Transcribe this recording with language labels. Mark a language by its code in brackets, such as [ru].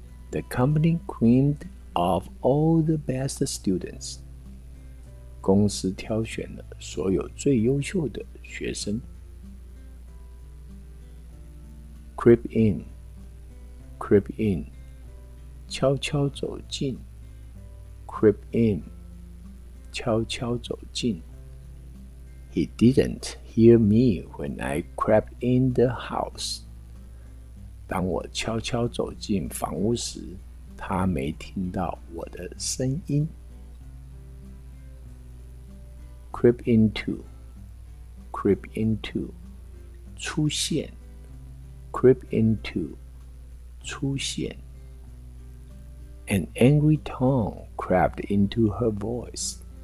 [en] The company creamed off all the best students. [zh] 公司挑选了所有最优秀的学生。 [en] Creep in, creep in, [zh] 悄悄走进。 [en] Creep in, [zh] 悄悄走进。 [en] He didn't hear me when I crept in the house. [zh] 当我悄悄走进房屋时，他没听到我的声音。 [en] Creep into, creep into, [zh] 出现。 [en] Creep into, [zh] 出现。 [en] An angry tone crept into her voice.